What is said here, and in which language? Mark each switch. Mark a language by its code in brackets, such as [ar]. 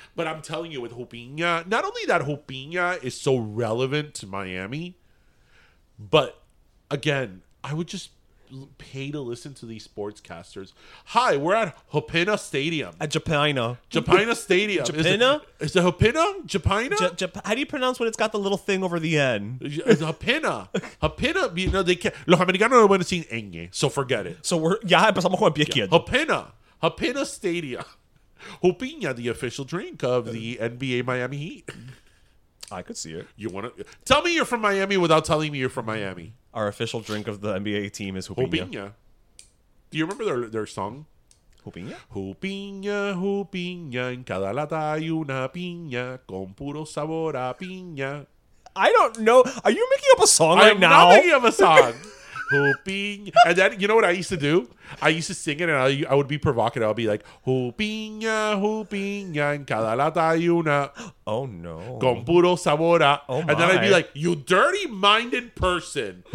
[en] But I'm telling you, with Jupiña, not only that Jupiña is so relevant to Miami, but again, I would just pay to listen to these sportscasters. Hi, we're at Jupiña Stadium. At Jupiña. Jupiña Stadium. Jupiña? Is it Jupiña? Jupiña? How do you pronounce when it's got the little thing over the N? It's Jupiña. Jupiña. You know, they can't. [es] Los americanos no pueden decir Ñ, [en] so forget it. So we're... [es] Ya empezamos con Pique. [en] Jupiña. Jupiña Stadium. Jupiña, the official drink of the NBA Miami Heat. I could see it. You want to tell me you're from Miami without telling me you're from Miami. Our official drink of the NBA team is Jupiña. Do you remember their song? Jupiña? [es] Jupiña, Jupiña, en cada lata hay una piña, con puro sabor a piña. [en] I don't know. Are you making up a song right I'm now? I'm not making up a song. Jupiña. And then, you know what I used to do? I used to sing it and I would be provocative. I'd be like, [es] Jupiña, Jupiña, en cada lata hay una. [en] Oh no. [es] Con puro sabor a. [en] Oh my. And then I'd be like, you dirty minded person.